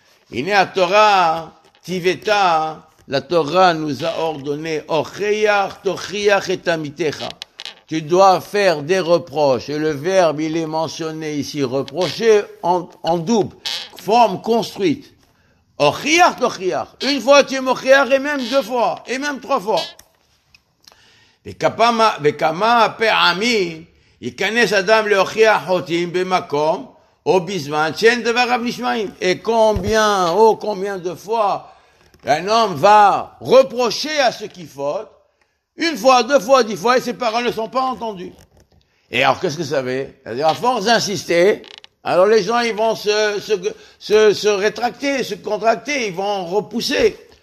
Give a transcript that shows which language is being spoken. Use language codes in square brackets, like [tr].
[fr] Il est à Torah, Tiveta, la Torah nous a ordonné, [he] Ochriach, Tochriach et Tamitecha. [fr] Tu dois faire des reproches. Et le verbe, il est mentionné ici, reprocher en double, forme construite. [he] Ochriach, Tochriach. [fr] Une fois tu es Mochriach et même deux fois, et même trois fois. [he] וכמה פעמים ייכנס אדם להוכיח חוטאים במקום או בזמן שאין דבריו נשמעים. [fr] Et combien, oh combien de fois un homme va reprocher à ceux qui fautent, une fois, deux fois, dix fois, et ses paroles ne sont pas entendues. Et alors qu'est-ce que ça veut? C'est-à-dire, à force d'insister, alors les gens ils vont se rétracter, se contracter, ils vont repousser.